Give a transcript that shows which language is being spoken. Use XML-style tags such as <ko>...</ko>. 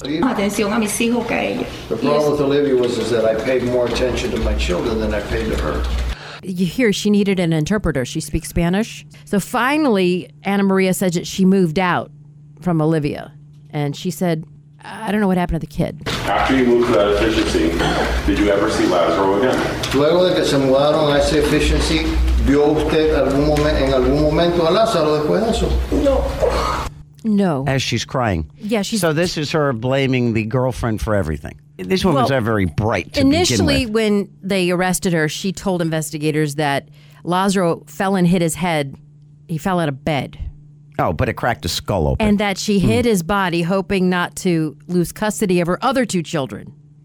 <en>The problem with Olivia was that I paid more attention to my children than I paid to her. You hear she needed an interpreter. She speaks Spanish. So finally, Anna Maria said that she moved out from Olivia. And she said, I don't know what happened to the kid. After you moved to that efficiency, did you ever see Lazaro again?</en> <es>Luego de que se mudaron a esa efficiency, ¿vio usted en algún momento a Lazaro después de eso? No. No.</es> <en>As she's crying. Yeah, she's... So this is her blaming the girlfriend for everything. This woman's not very bright. Initially, when they arrested her, she told investigators that Lazaro fell and hit his head. He fell out of bed. Oh, but it cracked his skull open. And that she hid his body, hoping not to lose custody of her other 2 children.</en>